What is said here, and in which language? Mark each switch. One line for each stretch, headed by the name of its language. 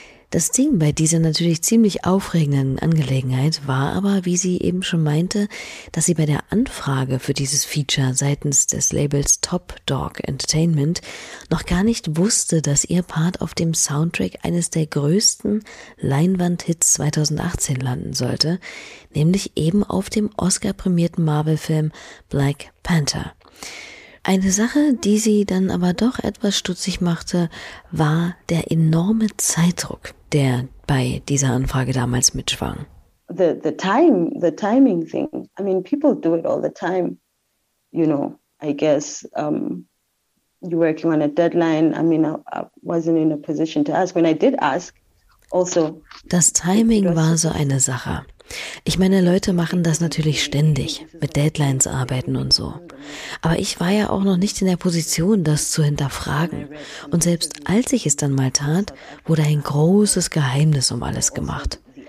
German: Das Ding bei dieser natürlich ziemlich aufregenden Angelegenheit war aber, wie sie eben schon meinte, dass sie bei der Anfrage für dieses Feature seitens des Labels Top Dog Entertainment noch gar nicht wusste, dass ihr Part auf dem Soundtrack eines der größten Leinwandhits 2018 landen sollte, nämlich eben auf dem Oscar-prämierten Marvel-Film Black Panther. Eine Sache, die sie dann aber doch etwas stutzig machte, war der enorme Zeitdruck, der bei dieser Anfrage damals mitschwang.
English: The timing thing. I mean, people do it all the time. You know, I guess you're working on a deadline. I mean, I wasn't in a position to ask. When I did ask, also.
German: Das Timing war so eine Sache. Ich meine, Leute machen das natürlich ständig, mit Deadlines arbeiten und so. Aber ich war ja auch noch nicht in der Position, das zu hinterfragen. Und selbst als ich es dann mal tat, wurde ein großes Geheimnis um alles gemacht.